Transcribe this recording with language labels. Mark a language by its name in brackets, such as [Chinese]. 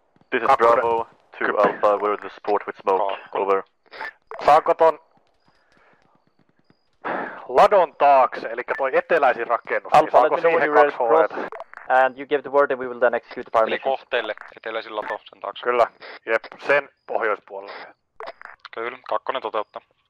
[English] This is Bravo 2 Alpha, we're the support with smoke, over. [Finnish] Saanko ton ladon taakse, elikkä toi eteläisin rakennus. Alpha, saanko siihen kaks HV-tä? [English] And you give the word and we will then execute the fire mission. [Finnish] Eli kohteelle, eteläisin lato sen taakse. Kyllä, jep, sen pohjoispuolelle. Kyllä, kakkonen toteuttaa.